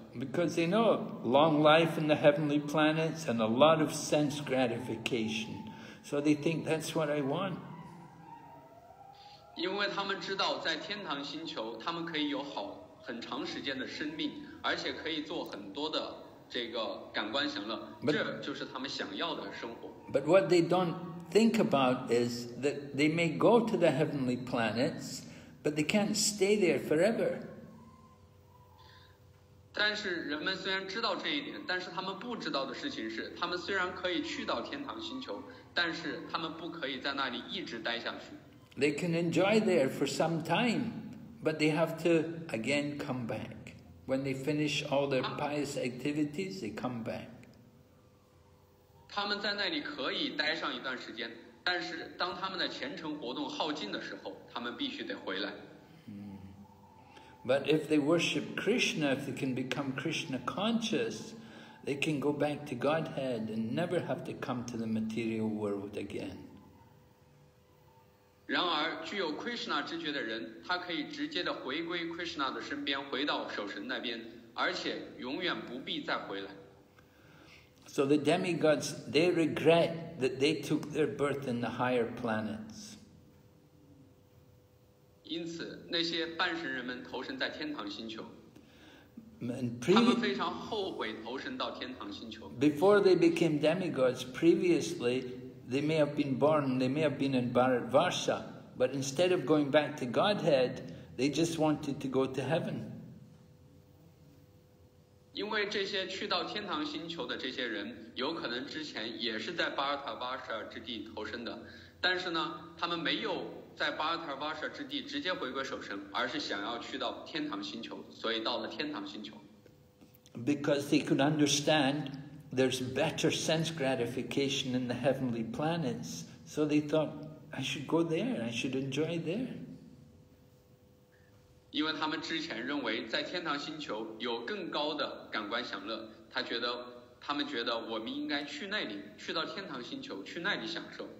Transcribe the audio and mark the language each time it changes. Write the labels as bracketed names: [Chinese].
[English] Because they know long life in the heavenly planets and a lot of sense gratification. So they think that's what I want. [Chinese] 因为他们知道在天堂星球他们可以有好很长时间的生命，而且可以做很多的这个感官享乐，这就是他们想要的生活。 [English] But what they don't think about is that they may go to the heavenly planets, but they can't stay there forever. [Chinese] 但是人们虽然知道这一点，但是他们不知道的事情是，他们虽然可以去到天堂星球，但是他们不可以在那里一直待下去。 [English] They can enjoy there for some time. But they have to again come back. When they finish all their pious activities, they come back. [Chinese] 他们在那里可以待上一段时间，但是当他们的虔诚活动耗尽的时候，他们必须得回来。 [English] But if they worship Krishna, if they can become Krishna conscious, they can go back to Godhead and never have to come to the material world again. [Chinese] 然而具有 Krishna 知觉的人，他可以直接的回归 Krishna 的身边，回到守神那边，而且永远不必再回来。 [English] So the demigods, they regret that they took their birth in the higher planets. [Chinese] 因此那些半神人们投身在天堂星球，他们非常后悔投身到天堂星球。 [English] Before they became demigods, previouslyThey may have been born, they may have been in Bharatvarsha, but instead of going back to Godhead, they just wanted to go to heaven. [Chinese] 因为这些去到天堂星球的这些人，有可能之前也是在Bharatvarsha之地投身的，但是呢，他们没有在Bharatvarsha之地直接回归守神，而是想要去到天堂星球，所以到了天堂星球。 [English] Because they could understand. There's better sense gratification in the heavenly planets, so they thought, I should go there, I should enjoy there. [Chinese] 因为他们之前认为在天堂星球有更高的感官享乐，他们觉得我们应该去那里，去到天堂星球，去那里享受。